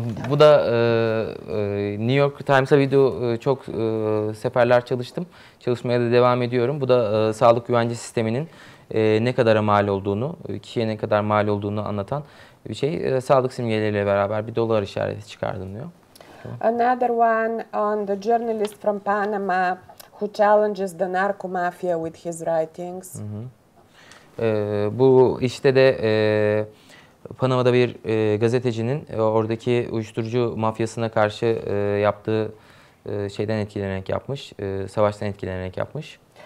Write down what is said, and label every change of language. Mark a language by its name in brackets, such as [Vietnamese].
[Turkish] Bu da New York Times'a video çok seferler çalıştım. Çalışmaya da devam ediyorum. Bu da sağlık güvence sisteminin ne kadara mal olduğunu, kişiye ne kadar mal olduğunu anlatan bir şey. Sağlık simgeleriyle beraber bir dolar işareti çıkardım diyor. [English] Another one on the journalist from Panama who challenges the narco mafia with his writings. [Turkish] Bu işte de Panama'da bir gazetecinin oradaki uyuşturucu mafyasına karşı yaptığı şeyden etkilenerek yapmış, savaştan etkilenerek yapmış.